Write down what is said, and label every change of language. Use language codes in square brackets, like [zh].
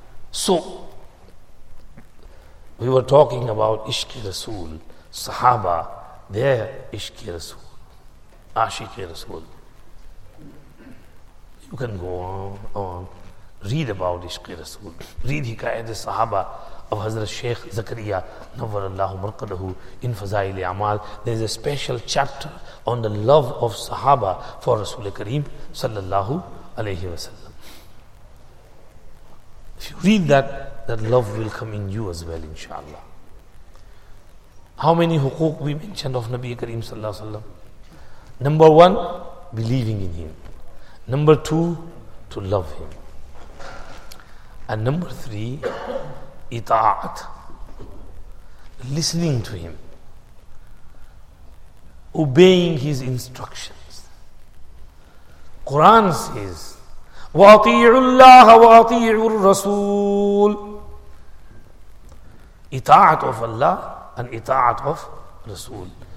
[en] So we were talking about عشقِ رسول، صحابہ، their عشقِ رسول، عاشقِ رسول. You can go on, read about عشقِ رسول، read حکایتِ صحابہ of Hazrat Shaykh Zakariya Nawwarallahu Marqadahu in Fazail Amal. There is a special chapter on the love of Sahaba for Rasul Kareem Sallallahu Alaihi Wasallam. If you read that, that love will come in you as well, inshallah. How many huquq we mentioned of Nabi Kareem Sallallahu Alaihi Wasallam? Number one, believing in him. Number two, to love him. And number three, اطاعت، listening to him، obeying his instructions. [ar] Quran says وَأَطِيعُوا اللَّهَ وَأَطِيعُوا الرَّسُولِ. [en] اطاعت of Allah and اطاعت of رسول.